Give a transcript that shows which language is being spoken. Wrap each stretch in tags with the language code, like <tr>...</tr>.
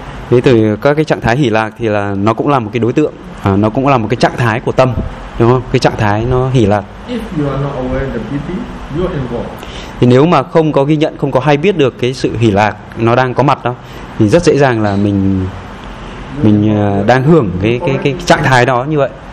<vi>Thế từ các cái trạng thái hỷ lạc thì là nó cũng là một cái đối tượng, nó cũng là một cái trạng thái của tâm, đúng không? Cái trạng thái nó hỷ lạc.</vi> <en>If you are not aware of the beauty, you are involved.</en> <vi>Thì nếu mà không có ghi nhận, không có hay biết được cái sự hỷ lạc nó đang có mặt đó thì rất dễ dàng là mình đang hưởng cái trạng thái đó như vậy.</vi>